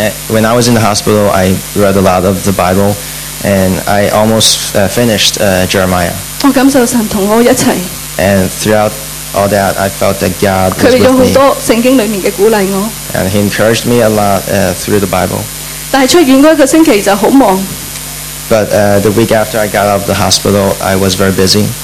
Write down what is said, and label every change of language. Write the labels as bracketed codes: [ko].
[en] When I was in the hospital, I read a lot of the Bible, and I almost finished Jeremiah. [yue] 我感受神同我一齊。 [en] And throughout all that, I felt that God was with me. [yue] 佢俾咗好多聖經裡面嘅鼓勵我。 [en] And He encouraged me a lot through the Bible. [yue] 但係出院嗰一個星期就好忙。 [en] But the week after I got out of the hospital, I was very busy.